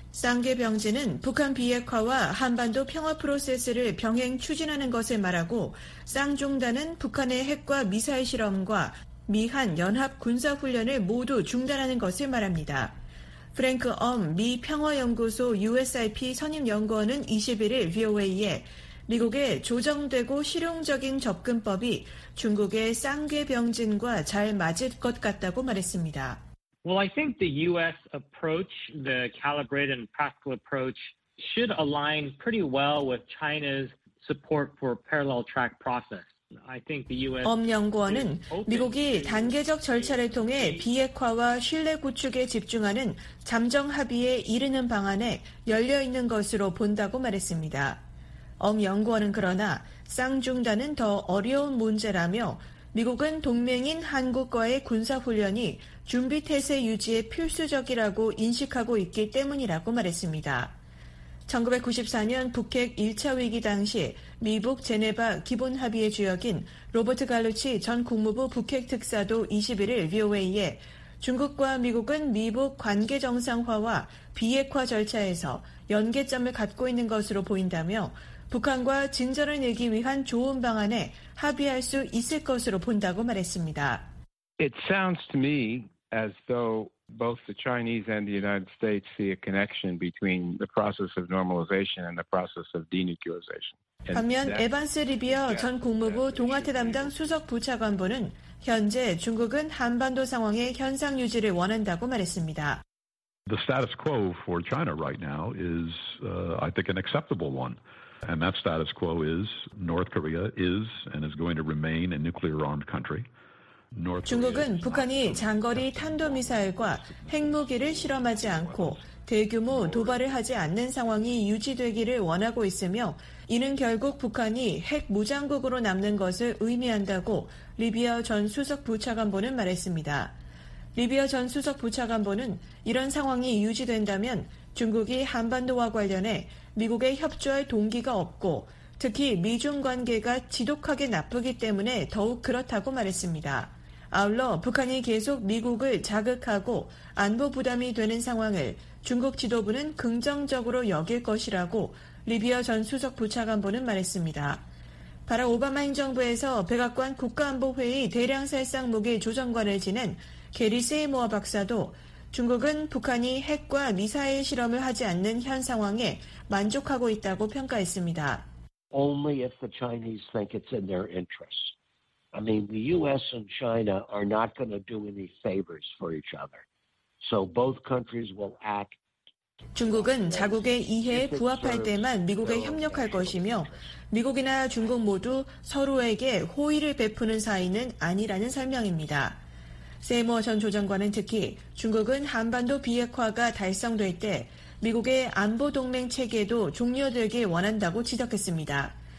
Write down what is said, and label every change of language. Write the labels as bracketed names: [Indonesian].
[Korean] 쌍계병진은 북한 비핵화와 한반도 평화 프로세스를 병행 추진하는 것을 말하고 쌍중단은 북한의 핵과 미사일 실험과 미한 연합 군사훈련을 모두 중단하는 것을 말합니다. 프랭크 엄 미 평화연구소 USIP 선임연구원은 21일 VOA에 미국의 조정되고 실용적인 접근법이 중국의 쌍계병진과 잘 맞을 것 같다고 말했습니다. [English] Well, I think the U.S. approach, the calibrated and practical approach, should align pretty well with China's support for parallel track process. [Korean] 엄 연구원은 미국이 단계적 절차를 통해 비핵화와 신뢰 구축에 집중하는 잠정 합의에 이르는 방안에 열려 있는 것으로 본다고 말했습니다. 엄 연구원은 그러나 쌍중단은 더 어려운 문제라며 미국은 동맹인 한국과의 군사훈련이 준비태세 유지에 필수적이라고 인식하고 있기 때문이라고 말했습니다. 1994년 북핵 1차 위기 당시 미북 제네바 기본합의의 주역인 로버트 갈루치 전 국무부 북핵특사도 21일 VOA에 중국과 미국은 미북 관계 정상화와 비핵화 절차에서 연계점을 갖고 있는 것으로 보인다며 북한과 진전을 내기 위한 좋은 방안에 합의할 수 있을 것으로 본다고 말했습니다. [English] It sounds to me as though both the Chinese and the United States see a connection between the process of normalization and the process of denuclearization. [Korean] 반면 에반스 리비어 전 국무부 동아태 담당 수석 부차관보는 현재 중국은 한반도 상황의 현상 유지를 원한다고 말했습니다. [English] The status quo for China right now is, I think, an acceptable one. And that status quo is North Korea is and is going to remain a nuclear armed country. [Korean] 중국은 북한이 장거리 탄도미사일과 핵무기를 실험하지 않고 대규모 도발을 하지 않는 상황이 유지되기를 원하고 있으며 이는 결국 북한이 핵 무장국으로 남는 것을 의미한다고 리비어 전 수석 부차관보는 말했습니다. 리비어 전 수석 부차관보는 이런 상황이 유지된다면 중국이 한반도와 관련해 미국에 협조할 동기가 없고 특히 미중 관계가 지독하게 나쁘기 때문에 더욱 그렇다고 말했습니다. 아울러 북한이 계속 미국을 자극하고 안보 부담이 되는 상황을 중국 지도부는 긍정적으로 여길 것이라고 리비어 전 수석 부차관보는 말했습니다. 바락 오바마 행정부에서 백악관 국가안보회의 대량살상 무기 조정관을 지낸 게리 세이모어 박사도 중국은 북한이 핵과 미사일 실험을 하지 않는 현 상황에 만족하고 있다고 평가했습니다. [English] Only if the Chinese think it's in their interest. I mean, the U.S. and China are not going to do any favors for each other. So both countries will act. [Korean] 중국은 자국의 이해에 부합할 때만 미국에 협력할 것이며 미국이나 중국 모두 서로에게 호의를 베푸는 사이는 아니라는 설명입니다. 세이머 전 조정관은 특히 중국은 한반도 비핵화가 달성될 때 미국의 안보 동맹 체계도 종료되길 원한다고 지적했습니다.